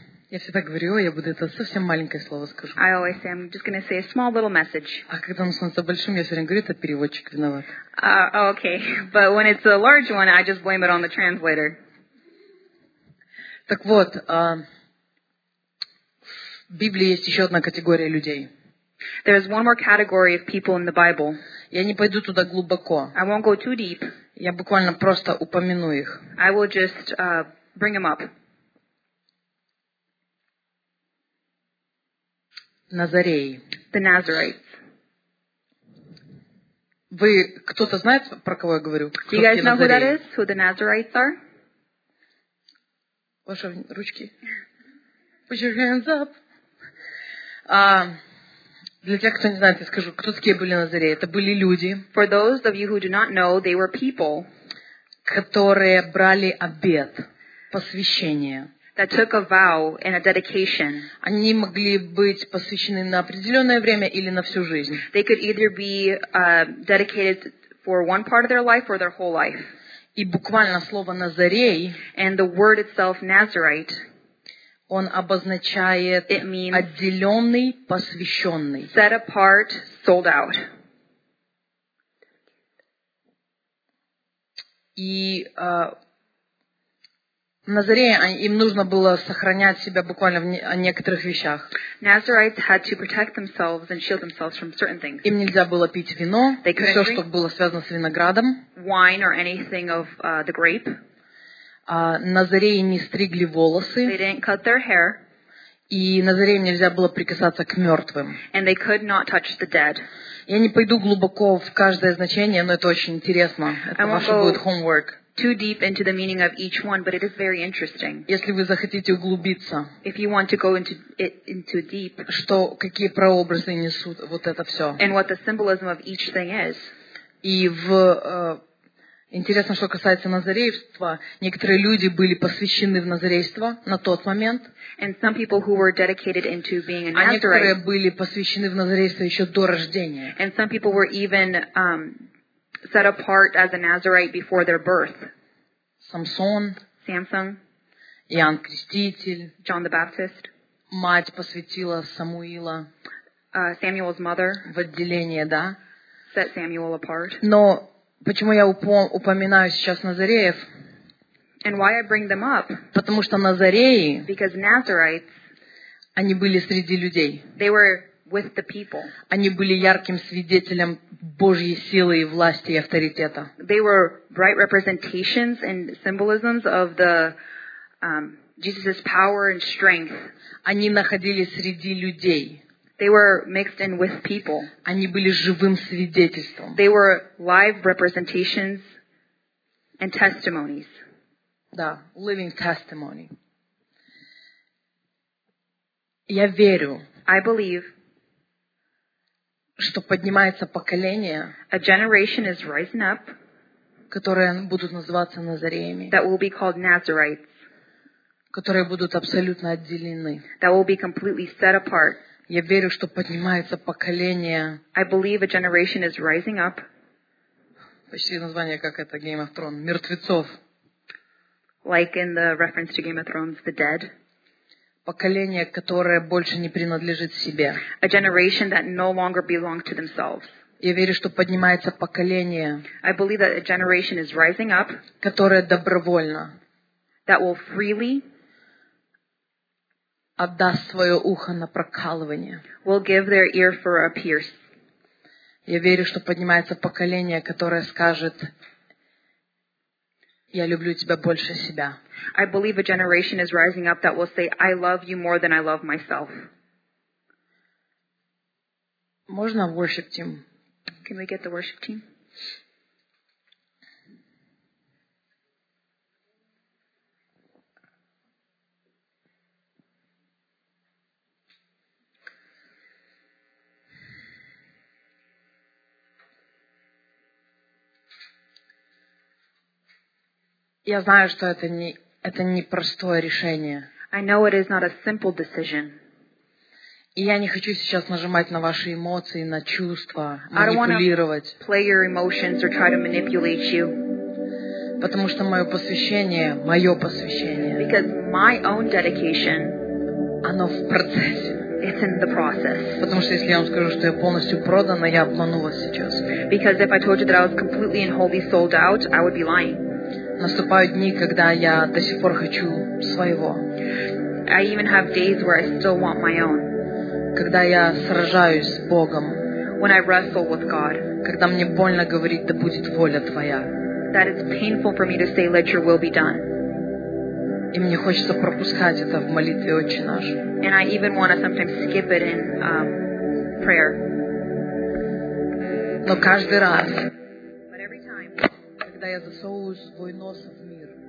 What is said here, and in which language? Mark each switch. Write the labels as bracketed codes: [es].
[ru] Я всегда говорю, я буду это совсем маленькое слово скажу. [en] I always say, I'm just going to say a small little message. [ru] А когда оно становится большим, я все время говорю, это переводчик виноват. [en] Okay, but when it's a large one, I just blame it on the translator. [ru] Так вот, в Библии есть еще одна категория людей. [en] There is one more category of people in the Bible. [ru] Я не пойду туда глубоко. [en] I won't go too deep. [ru] Я буквально просто упомяну их. [en] I will just bring them up. [ru] Назареи. [en] The Nazarites. [ru] Вы кто-то знает, про кого я говорю? [en] Do you guys know who that is? Who the Nazarites are? [ru] Ваши ручки. [en] Put your hands up. [ru] Для тех, кто не знает, я скажу, кто такие были Назареи. Это были люди. [en] For those of you who do not know, they were people. [ru] Которые брали обет, посвящение. [en] That took a vow and a dedication. [ru] Они могли быть посвящены на определенное время или на всю жизнь. [en] They could either be dedicated for one part of their life or their whole life. [ru] И буквально слово Назарей, [en] and the word itself, Nazarite, [ru] он обозначает [en] it means [ru] отделенный, посвященный. [en] Set apart, sold out. [ru] И Назареи, им нужно было сохранять себя буквально в некоторых вещах. [en] Nazarites had to protect themselves and shield themselves from certain things. [ru] Им нельзя было пить вино, [en] they couldn't [ru] все, что было связано с виноградом. [en] Wine or anything of the grape. [ru] Назареи не стригли волосы. [en] They didn't cut their hair. [ru] И Назареям нельзя было прикасаться к мертвым. [en] And they could not touch the dead. [ru] Я не пойду глубоко в каждое значение, но это очень интересно. Это ваше будет homework. [en] Too deep into the meaning of each one, but it is very interesting. [ru] Если вы захотите углубиться, [en] if you want to go into it into deep, [ru] что какие прообразы несут вот это все, [en] and what the symbolism of each thing is. [ru] И в интересно, что касается назарейства, некоторые люди были посвящены в назарейство на тот момент. [en] And some people who were dedicated into being a Nazarite. [ru] А некоторые были посвящены в назарейство еще до рождения. [en] And some people were even set apart as a Nazarite before their birth. [ru] Самсон, [en] Samson, [ru] Иоанн Креститель, [en] John the Baptist, [ru] мать посвятила Самуила, [en] Samuel's mother, [ru] в отделение, да? [en] Set Samuel apart. [ru] Но почему я упоминаю сейчас Назареев? [en] And why I bring them up? [ru] Потому что Назареи, [en] because Nazarites, [ru] они были среди людей. [en] They were with the people. [ru] Они были ярким свидетелем Божьей силы и власти и авторитета. [en] They were bright representations and symbolisms of the Jesus's power and strength. [ru] Они находились среди людей. [en] They were mixed in with people. [ru] Они были живым свидетельством. [en] They were live representations and testimonies. [ru] Да, [en] living testimony. [ru] Я верю. [en] I believe [ru] что поднимается поколение, [en] a generation is rising up, [ru] которые будут называться назареями, [en] that will be called Nazarites, [ru] которые будут абсолютно отделены. [en] That will be completely set apart. [ru] Я верю, что поднимается поколение. [en] I believe a generation is rising up. [ru] Почти название как это Game of Thrones, мертвецов. [en] Like in the reference to Game of Thrones, the dead. [ru] Поколение, которое больше не принадлежит себе. [en] A generation that no longer belongs to themselves. [ru] Я верю, что поднимается поколение. [en] I believe that a generation is rising up. [ru] Которое добровольно. [en] That will freely. [ru] Отдаст свое ухо на прокалывание. [en] Will give their ear for a pierce. [ru] Я верю, что поднимается поколение, которое скажет: я люблю тебя больше себя. [en] I believe a generation is rising up that will say, I love you more than I love myself. [ru] Можно [en] worship team? Can we get the worship team? [ru] Я знаю, что это не простое решение. [en] I know it is not a simple decision. [ru] И я не хочу сейчас нажимать на ваши эмоции, на чувства, манипулировать. [en] Play your emotions or try to manipulate you. [ru] Потому что мое посвящение. [en] Because my own dedication. [ru] Оно в процессе. [en] It's in the process. [ru] Потому что если я вам скажу, что я полностью продана, я обману вас сейчас. [en] Because if I told you that I was completely and wholly sold out, I would be lying. [ru] Наступают дни, когда я до сих пор хочу своего. [en] I even have days where I still want my own. [ru] Когда я сражаюсь с Богом. [en] When I wrestle with God. [ru] Когда мне больно говорить, да будет воля Твоя. [en] That it's painful for me to say, let your will be done. [ru] И мне хочется пропускать это в молитве Отче наш. [en] And I even want to sometimes skip it in prayer. [ru] Но каждый раз, [en] but every time, [ru] когда я засовываю свой нос в мир,